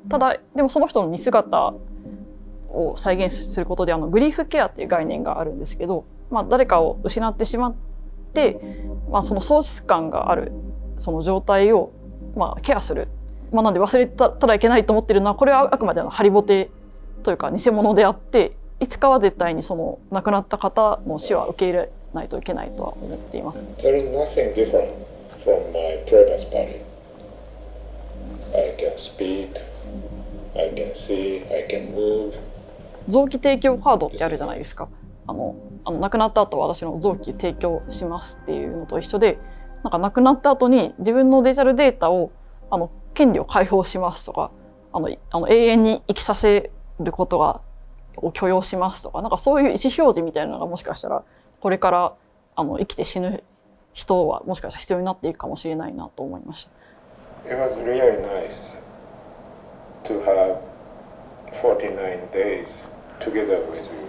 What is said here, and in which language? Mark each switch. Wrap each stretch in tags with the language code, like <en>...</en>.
<ja>ただでもその人の似姿を再現することであのグリーフケアっていう概念があるんですけど、まあ、誰かを失ってしまって、まあ、その喪失感があるその状態を、まあ、ケアする、まあ、なんで忘れたらいけないと思ってるのは、これはあくまでのハリボテというか偽物であって、いつかは絶対にその亡くなった方の死は受け入れないといけないとは思っています。</ja> <en>There is nothing different from my previous body. I can speak, I can see, I can move.</en> <ja>臓器提供カードってあるじゃないですか。あの亡くなった後私の臓器提供しますっていうのと一緒で、なんか亡くなった後に自分のデジタルデータをあの権利を解放しますとか、あの永遠に生きさせることを許容しますとか、なんかそういう意思表示みたいなのがもしかしたらこれからあの生きて死ぬ人はもしかしたら必要になっていくかもしれないなと思いました。</ja> <en>It was really nice to have 49 days together with you.</en>